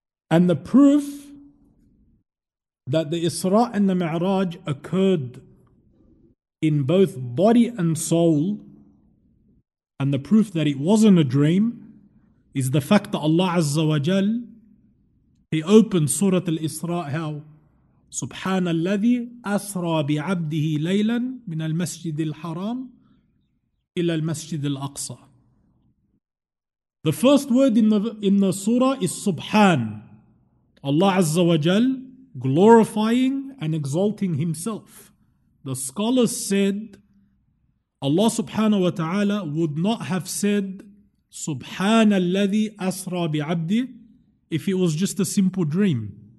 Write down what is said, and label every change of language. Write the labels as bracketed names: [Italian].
[English] And the proof that the Isra and the Mi'raj occurred in both body and soul, and the proof that it wasn't a dream, is the fact that Allah Azza wa Jal, He opened Surah Al-Isra, how? [Arabic] سبحان الذي أسرى بعبده ليلا من المسجد الحرام إلى المسجد الأقصى. [English] The first word in the surah is Subhan. Allah Azza wa Jal glorifying and exalting himself. The scholars said Allah subhanahu wa ta'ala would not have said [Arabic] سبحان الذي أسرى بعبده [English] if it was just a simple dream.